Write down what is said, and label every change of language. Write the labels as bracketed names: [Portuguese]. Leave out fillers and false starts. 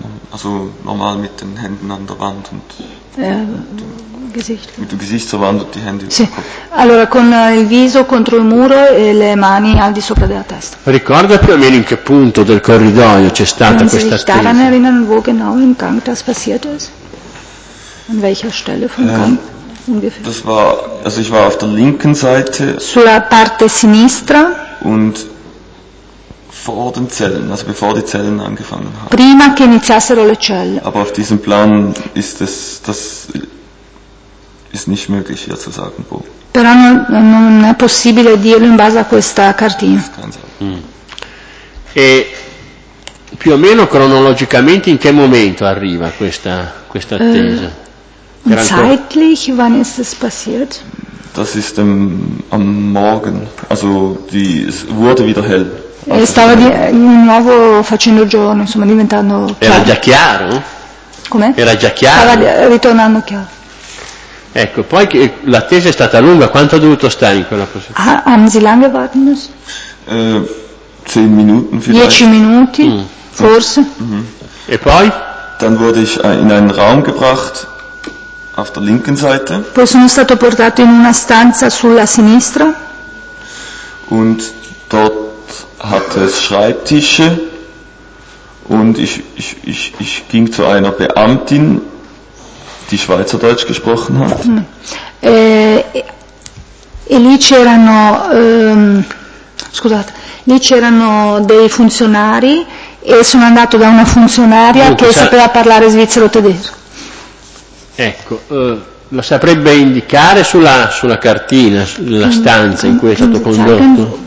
[German] Also normal mit den Händen an der Wand und Gesicht. Mit dem Gesicht zur Wand und die Hände. [Italian] Sì. Allora con il viso contro il muro e le mani al di sopra della testa. Ricorda più o meno in che punto del corridoio c'è stata questa attesa? [German] Kannst du dich daran erinnern, wo genau im Gang das passiert ist? An welcher Stelle vom Gang ungefähr? Das war, also ich war auf der linken Seite. [Italian] Sulla parte sinistra. [German] Und vor den Zellen, also bevor die Zellen angefangen haben. [Italian] Prima che iniziassero le celle. [German] Aber auf diesem Plan ist es, das ist nicht möglich hier zu sagen, wo. [Italian] Però non è possibile dirlo in base a questa cartina. E più o meno cronologicamente in che momento arriva questa attesa? [German] Zeitlich, wann ist es passiert? Das ist am Morgen, also es wurde wieder hell. [Italian] E stava di nuovo facendo giorno, insomma diventando chiaro. Era già chiaro? Com'è? Era già chiaro? Stava ritornando chiaro. Ecco, poi l'attesa è stata lunga, quanto ha dovuto stare in quella posizione? [German] Haben Sie lange warten müssen? [Italian] 10 minuti, [German] vielleicht. [Italian] 10 minuti, forse. E poi? [German] Dann wurde ich in einen Raum gebracht, auf der linken Seite. [Italian] Poi sono stato portato in una stanza sulla sinistra. [German] Und dort hatte es Schreibtische und ich ging zu einer Beamtin, die Schweizerdeutsch gesprochen hat. [Italian] e lì c'erano scusate, lì c'erano dei funzionari e sono andato da una funzionaria che sapeva parlare svizzero tedesco. Ecco, lo saprebbe indicare sulla cartina, sulla stanza in cui è stato condotto?